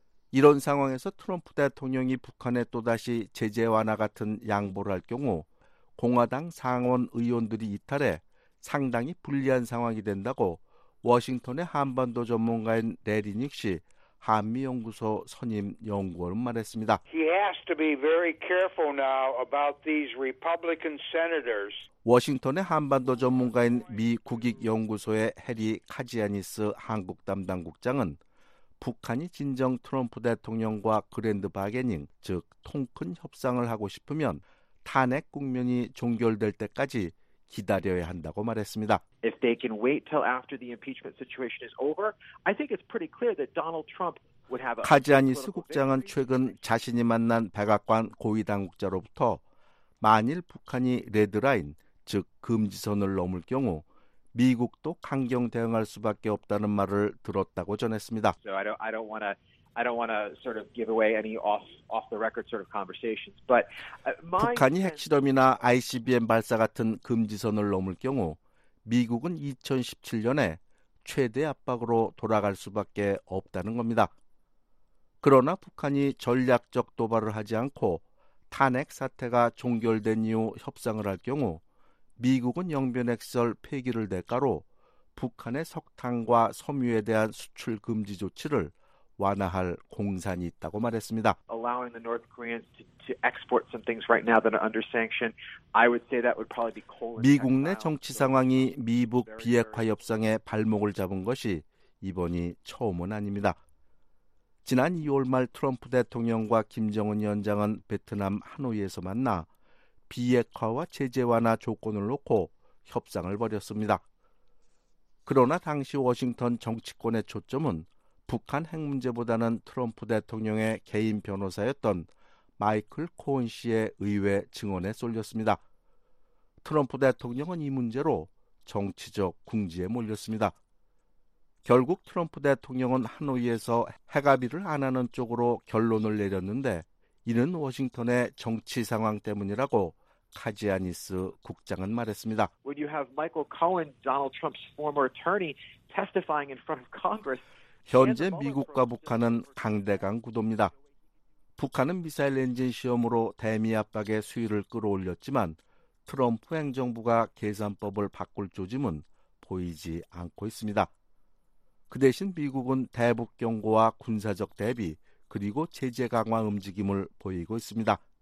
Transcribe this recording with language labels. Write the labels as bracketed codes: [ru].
[ko] 이런 상황에서 트럼프 대통령이 북한에 또다시 제재 완화 같은 양보를 할 경우 공화당 상원 의원들이 이탈해 상당히 불리한 상황이 된다고 워싱턴의 한반도 전문가인 레리닉 씨 한미연구소 선임 연구원은 말했습니다. [en] He has to be very careful now about these Republican senators. [ko] 워싱턴의 한반도 전문가인 미 국익연구소의 해리 카지아니스 한국 담당국장은 북한이 진정 트럼프 대통령과 그랜드 바게닝, 즉 통 큰 협상을 하고 싶으면 탄핵 국면이 종결될 때까지 기다려야 한다고 말했습니다. [en] If they can wait till after the impeachment situation is over, I think it's pretty clear that Donald Trump would have a [ko] 카지아니스 국장은 최근 자신이 만난 백악관 고위 당국자로부터 만일 북한이 레드라인, 즉 금지선을 넘을 경우 미국도 강경 대응할 수밖에 없다는 말을 들었다고 전했습니다. [en] So I don't want to I don't want to sort of give away any off the record sort of conversations. But [ko] 북한이 핵실험이나 ICBM 발사 같은 금지선을 넘을 경우 미국은 2017년에 최대 압박으로 돌아갈 수밖에 없다는 겁니다. 그러나 북한이 전략적 도발을 하지 않고 탄핵 사태가 종결된 이후 협상을 할 경우 미국은 영변핵설 폐기를 대가로 북한의 석탄과 섬유에 대한 수출 금지 조치를 완화할 공산이 있다고 말했습니다. [en] Allowing the North Koreans to export some things right now that are under sanction, I would say that would probably be coal. [ko] 미국 내 정치 상황이 미북 비핵화 협상에 발목을 잡은 것이 이번이 처음은 아닙니다. 지난 2월 말 트럼프 대통령과 김정은 위원장은 베트남 하노이에서 만나 비핵화와 제재 완화 조건을 놓고 협상을 벌였습니다. 그러나 당시 워싱턴 정치권의 초점은 북한 핵 문제보다는 트럼프 대통령의 개인 변호사였던 마이클 코언 씨의 의회 증언에 쏠렸습니다. 트럼프 대통령은 이 문제로 정치적 궁지에 몰렸습니다. 결국 트럼프 대통령은 하노이에서 핵합의를 안 하는 쪽으로 결론을 내렸는데 이는 워싱턴의 정치 상황 때문이라고 카지아니스 국장은 말했습니다. [en] When you have Michael Cohen, Donald Trump's former attorney, testifying in front of Congress. [ko] 현재 미국과 북한은 강대강 구도입니다. 북한은 미사일 엔진 시험으로 대미 압박의 수위를 끌어올렸지만 트럼프 행정부가 계산법을 바꿀 조짐은 보이지 않고 있습니다. 그 대신 미국은 대북 경고와 군사적 대비 그리고 제재 강화 움직임을 보이고 있습니다.